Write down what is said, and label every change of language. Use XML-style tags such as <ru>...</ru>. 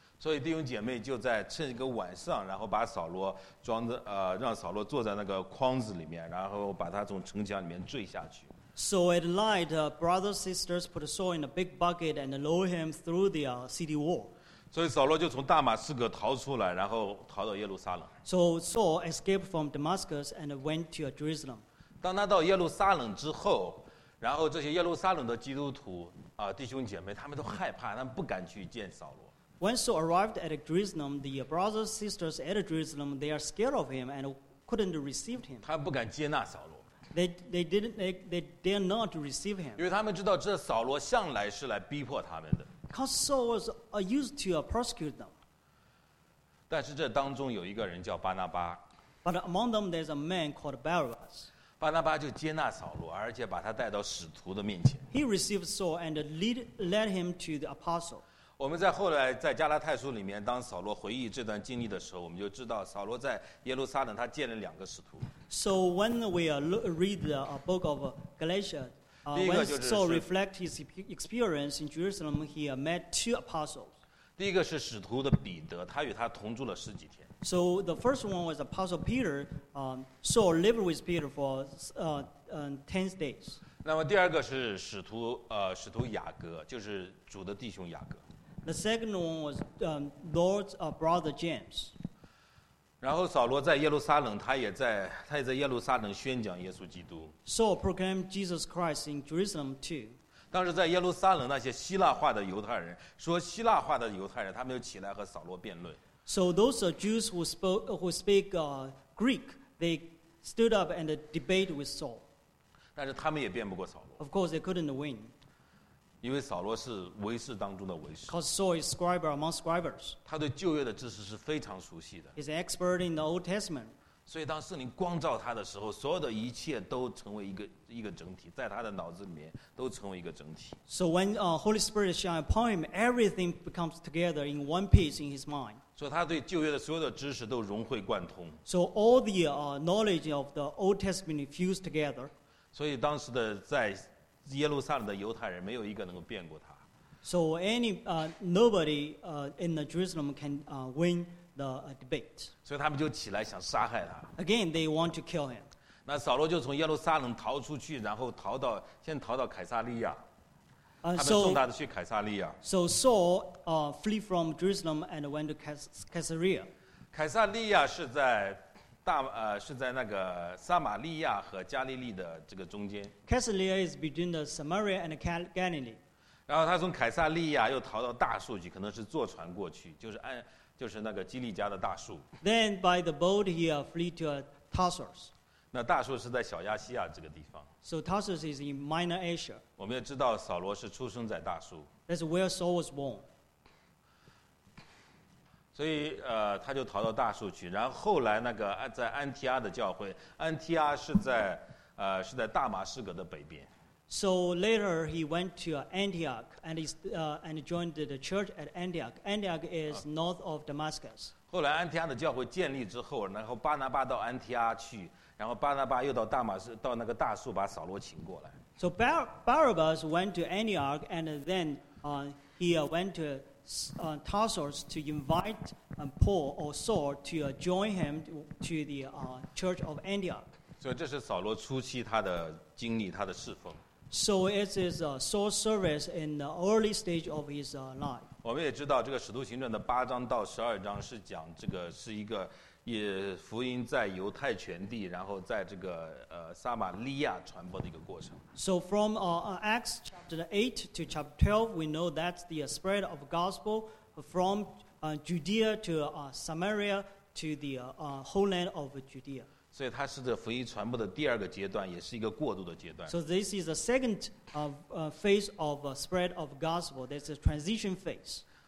<zh>所以弟兄姐妹就在趁一个晚上，然后把扫罗装着让扫罗坐在那个筐子里面，然后把他从城墙里面坠下去。</zh> <en>So at night, brothers, sisters put Saul in a big bucket and lower him through the city wall.</en> <zh>所以扫罗就从大马士革逃出来，然后逃到耶路撒冷。</zh> <en>So Saul escaped from Damascus and went to Jerusalem.</en> <zh>当他到耶路撒冷之后，然后这些耶路撒冷的基督徒弟兄姐妹，他们都害怕，他们不敢去见扫罗。</zh> <en>When Saul arrived at Jerusalem, the brothers, sisters at Jerusalem, they are scared of him and couldn't receive him.</en> <zh>他不敢接纳扫罗。</zh> <en>They dare not receive him.</en> <zh>因为他们知道这扫罗向来是来逼迫他们的。</zh> <en>Because Saul was used to persecute them.</en> <zh>但是这当中有一个人叫巴拿巴。</zh> <en>But among them there's a man called Barnabas.</en> <zh>巴拿巴就接纳扫罗，而且把他带到使徒的面前。</zh> <en>He received Saul and led him to the apostle.</en> <zh>我们在后来在加拉太书里面，当扫罗回忆这段经历的时候，我们就知道扫罗在耶路撒冷他建了两个使徒。</zh> <en>So when we read the book of Galatians, when Saul reflect his experience in Jerusalem, he met two apostles.</en> <zh>第一个是使徒的彼得，他与他同住了十几天。</zh> <en>So the first one was Apostle Peter. Saul lived with Peter for 10 days.</en> <zh>那么第二个是使徒雅各，就是主的弟兄雅各。</zh> <en>The second one was Lord's brother James.</en> <zh>然后扫罗在耶路撒冷，他也在耶路撒冷宣讲耶稣基督。</zh> <en>Saul proclaimed Jesus Christ in Jerusalem too.</en> <zh>当时在耶路撒冷那些希腊化的犹太人，说希腊化的犹太人，他们就起来和扫罗辩论。</zh> <en>So those are Jews who speak Greek, they stood up and debate with Saul.</en> <zh>但是他们也辩不过扫罗。</zh> <en>Of course, they couldn't win.</en> <zh>因为扫罗是文士当中的文士。</zh> <en>Because Saul is scribe among scribes.</en> <zh>他对旧约的知识是非常熟悉的。</zh> <en>He's an expert in the Old Testament.</en> <zh>所以当圣灵光照他的时候，所有的一切都成为一个整体，在他的脑子里面都成为一个整体。</zh> <en>So when Holy Spirit shines upon him, everything becomes together in one piece in his mind.</en> <zh>所以他对旧约的所有的知识都融会贯通。</zh> <en>So all the knowledge of the Old Testament fused together.</en> <zh>所以当时的在耶路撒冷的犹太人没有一个能够辩过他。</zh> <en>So nobody in the Jerusalem can win the debate.</en> <zh>所以他们就起来想杀害他。</zh> <en>Again, they want to kill him.</en> <zh>那扫罗就从耶路撒冷逃出去，然后先逃到凯撒利亚。他们送他去凯撒利亚。</zh> <en>So Saul flee from Jerusalem and went to Caesarea.</en> <zh>凯撒利亚是在。是在那个撒玛利亚和加利利的这个中间。</zh> <en>Caesarea is between the Samaria and Galilee.</en> <zh>然后他从凯撒利亚又逃到大树去，可能是坐船过去，就是那个基利家的大树。</zh> <en>Then by the boat he flee to Tarsus.</en> <zh>那大树是在小亚细亚这个地方。</zh> <en>So Tarsus is in Minor Asia.</en> <zh>我们也知道扫罗是出生在大树。</zh> <en>That's where Saul was born.</en> <zh>所以他就逃到大树去，然后后来那个在安提阿的教会，安提阿是在大马士革的北边。</zh> <en>So later he went to Antioch and he joined the church at Antioch. Antioch is north of Damascus.</en> <zh>后来安提阿的教会建立之后，然后巴拿巴到安提阿去，然后巴拿巴又到大马士到那个大树把扫罗请过来。</zh> <en>So Barabbas went to Antioch, and then he went to Tarsus to invite Paul or Saul to join him to the church of Antioch. So this is Saul's</en> <zh>初期, 他的经历, 他的侍奉.</zh> <en>So it is Saul's service in the early stage of his life.</en> <zh>我们也知道这个使徒行传的八章到十二章是讲这个是一个 也福音在犹太全地，然后在这个撒玛利亚传播的一个过程。</zh> <en>So from Acts chapter 8 to chapter 12, we know that's the spread of gospel from Judea to Samaria to the whole land of Judea.</en> <zh>所以它是这福音传播的第二个阶段，也是一个过渡的阶段。</zh> <en>So this is the second phase of spread of gospel. That's a transition phase.</en>